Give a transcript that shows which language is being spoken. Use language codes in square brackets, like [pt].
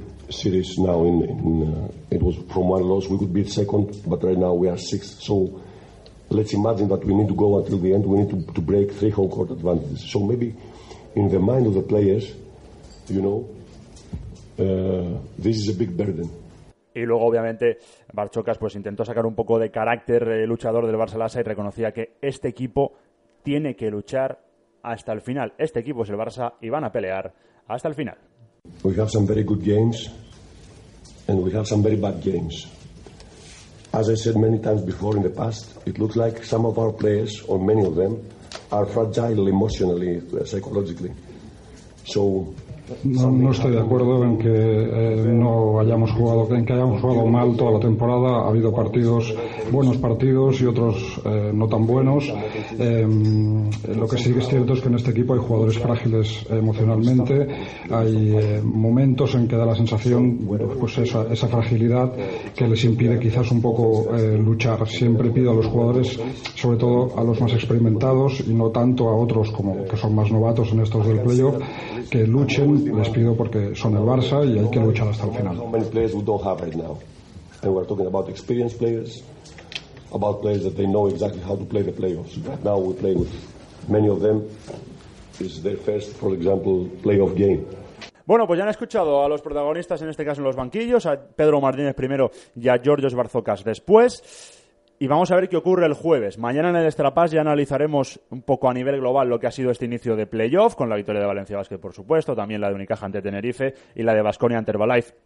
[en] Series now in it was from one loss we could be second, but right now we are sixth, so let's imagine that we need to go until the end, we need to break three home court advantages. So maybe in the mind of the players, you know, this is a big burden. [es] Y luego, obviamente, Barchokas pues intentó sacar un poco de carácter luchador del Barça-Lasa y reconocía que este equipo tiene que luchar hasta el final. Este equipo es el Barça y van a pelear hasta el final. [en] We have some very good games and we have some very bad games. As I said many times before in the past, it looks like some of our players, or many of them, are fragile emotionally, psychologically. So [es] no estoy de acuerdo en que hayamos jugado mal toda la temporada. Ha habido partidos, buenos partidos, y otros no tan buenos. Lo que sí que es cierto es que en este equipo hay jugadores frágiles emocionalmente. Hay momentos en que da la sensación, pues esa fragilidad que les impide quizás un poco luchar. Siempre pido a los jugadores, sobre todo a los más experimentados y no tanto a otros como que son más novatos en estos del playoff, que luchen. Les pido porque son el Barça y hay que luchar hasta el final. [en] How many players we don't have right now, and we're talking about experienced players, about players that they know exactly how to play the playoffs. Right now we play with many of them. This is their first, for example, playoff game. [es] Bueno, pues ya han escuchado a los protagonistas, en este caso en los banquillos, a Pedro Martínez primero y a Georgios Barzokas después. Y vamos a ver qué ocurre el jueves. Mañana en el Extrapass ya analizaremos un poco a nivel global lo que ha sido este inicio de playoff, con la victoria de Valencia Basket, por supuesto, también la de Unicaja ante Tenerife y la de Baskonia ante Herbalife.